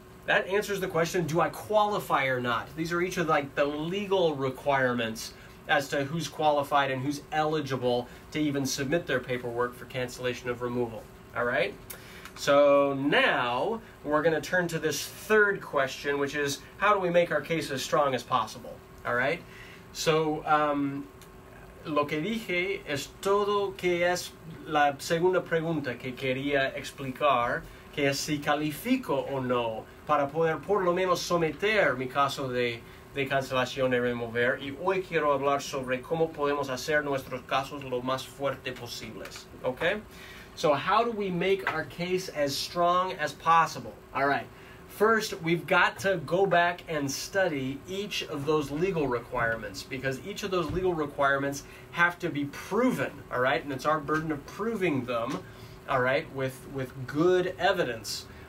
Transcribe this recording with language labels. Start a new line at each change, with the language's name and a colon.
English: That answers the question, do I qualify or not? These are each of like the legal requirements as to who's qualified and who's eligible to even submit their paperwork for cancellation of removal, all right? So now we're going to turn to this third question, which is how do we make our case as strong as possible? All right.
Spanish: So lo que dije es todo que es la segunda pregunta que quería explicar, que es si califico o no para poder por lo menos someter mi caso de cancelación y remover. Y hoy quiero hablar sobre cómo podemos hacer nuestros casos lo más fuerte posibles.
English: Okay. So how do we make our case as strong as possible? All right. First, we've got to go back and study each of those legal requirements because each of those legal requirements have to be proven, all right? And it's our burden of proving them, all right, with good evidence.